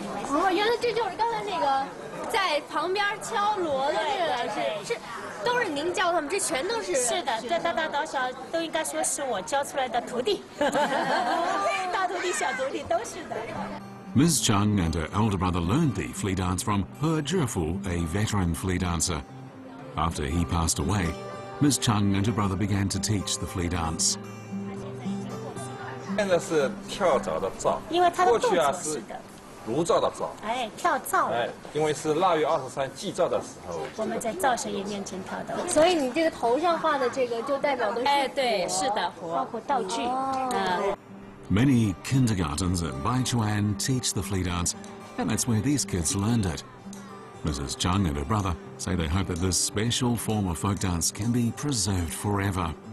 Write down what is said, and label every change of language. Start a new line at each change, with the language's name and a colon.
Chinese: 哦，原来这就是刚才那个在旁边敲锣的那个老师，是。都是您教他们，这全都是是的，这大大小小都应该说是我教出来的徒弟，大徒弟、小徒弟都是的。
English: Ms. Chung and her elder brother learned the flea dance from her Zhifu, a veteran flea dancer. After he passed away, Ms. Chung and her brother began to teach the flea dance.
Chinese: 现在是跳蚤的蚤，因为它的动作是的。炉灶的灶，哎，跳灶，哎，因为是腊月二十三祭灶的时候，我们在灶神爷面前跳的，所以你这个头上画的这个就代表的是，哎，对，是的，火，包括道具，哦、
English: Many kindergartens in Baichuan teach the flea dance, and that's where these kids learned it. Mrs. Chung and her brother say they hope that this special form of folk dance can be preserved forever.